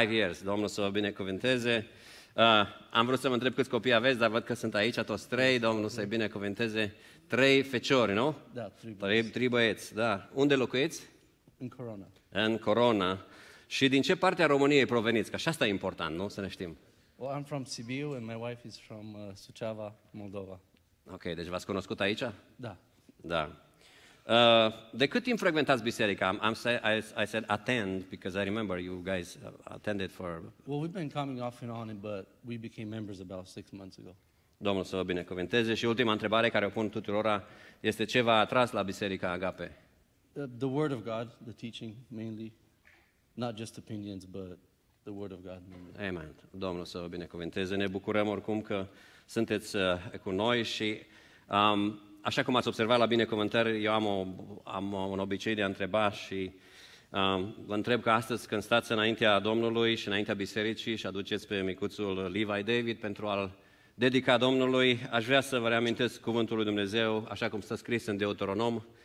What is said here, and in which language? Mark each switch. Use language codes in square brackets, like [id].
[en] 5 years, [ro] Domnul să vă binecuvinteze. Am vrut să vă întreb câți copii aveți, dar văd că sunt aici toți trei, Domnul să-i binecuvinteze. 3 feciori, nu? Da, 3 băieți. 3 băieți, da. Unde locuiți? În Corona. În Corona. Și din ce parte a României proveniți? Că așa asta e important, nu? Să ne știm. [en] Well, I'm from Sibiu and my wife is from Suceava, Moldova. [ro] Ok, deci v-ați cunoscut aici? Da. Da. De cât timp frecventați biserica? [en] I said attend because I remember you guys attended for... Well, we've been coming off and on, but we became members about 6 months ago. [ro] Domnul să vă binecuvinteze. Și ultima întrebare care o pun tuturora este ce v-a atras la biserica Agape? [en] The word of God, the teaching mainly. Not just opinions, but the word of God. Amen. [ro] Domnul să vă binecuvinteze. Ne bucurăm oricum că sunteți cu noi și așa cum ați observat la binecuvântări, eu am un obicei de a întreba și vă întreb că astăzi când stați înaintea Domnului și înaintea bisericii și aduceți pe micuțul Levi David pentru a-l dedica Domnului, aș vrea să vă reamintesc cuvântul lui Dumnezeu, așa cum stă scris în Deuteronom.